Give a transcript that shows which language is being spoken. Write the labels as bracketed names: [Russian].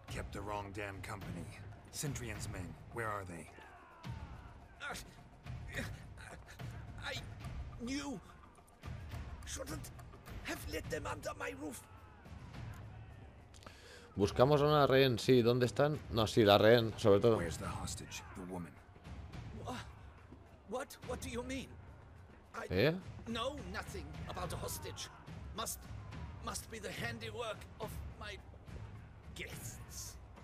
[English] Kept the wrong damn company. Centurion's men, where are they? I knew shouldn't have let them under my roof. [Spanish] Buscamos a una rehén, sí, ¿dónde están? No, sí, la rehén, sobre todo. [English] Where's the hostage, the woman? What do you mean? I ¿eh? Know nothing about a hostage. Must be the handiwork of my guests.